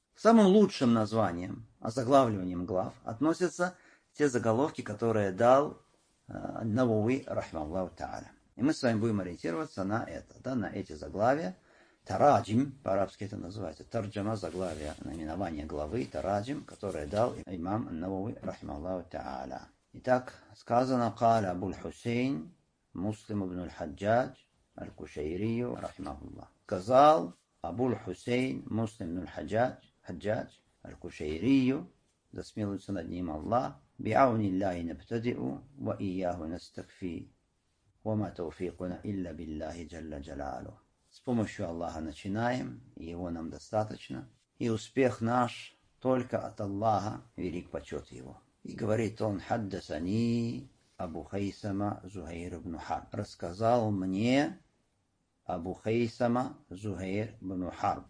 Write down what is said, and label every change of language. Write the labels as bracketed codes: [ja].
[ru] Самым лучшим названием, озаглавливанием глав, относятся те заголовки, которые дал Навови, рахмаллаху та'аля. И мы с вами будем ориентироваться на это, да, на эти заглавия. Тараджим, по-арабски это называется, тарджама, заглавия, наименование главы, тараджим, которое дал имам Навови, рахмаллаху та'аля. Итак, сказано, [ar] قال أبو الحسين مسلم بن الحجاج الكشيري رحمه الله. [ru] Сказал [ar] أبو الحسين مسلم بن الحجاج حجاج الكشيري [ru] да смилуется над ним Аллах. [ar] بعون الله نبتدئ وإياه نستكفي وما توفيقنا إلا بالله جل جلاله. [ru] С помощью Аллаха начинаем, его нам достаточно, и успех наш только от Аллаха, велик почет его. И говорит он, [ar] хаддасани [ru] Абу Хайсама Зухейр ибн Харб. Рассказал мне Абу Хайсама Зухейр ибн Харб.